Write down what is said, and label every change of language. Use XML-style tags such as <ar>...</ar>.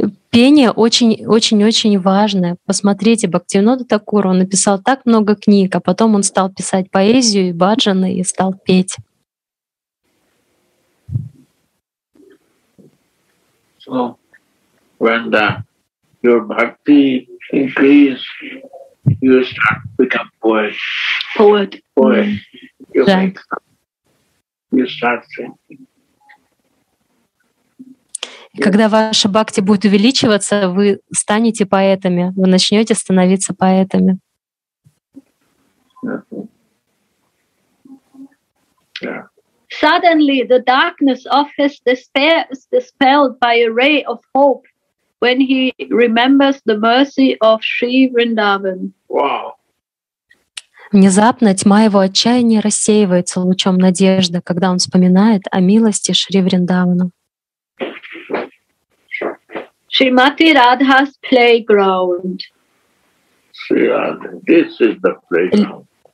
<ru>Пение очень-очень-очень важное. Посмотрите, Бхактивинода Такур, он написал так много книг, а потом он стал писать поэзию и баджаны, и стал петь.</ru> <en>So, when the, your bhakti increase, you start to become poet. Poet. Poet. You start singing.</en> <ru>Когда ваша бхакти будет увеличиваться, вы станете поэтами, вы начнете становиться поэтами.</ru> <en>Suddenly the darkness of his despair is dispelled by a ray of hope when he remembers the mercy of Sri Vrindavan.</en> <ru>Внезапно тьма его отчаяния рассеивается лучом надежды, когда он вспоминает о милости Шри Вриндавана.</ru> <en>Shrimati Radha's playground. Shri Radha, this is the playground.</en>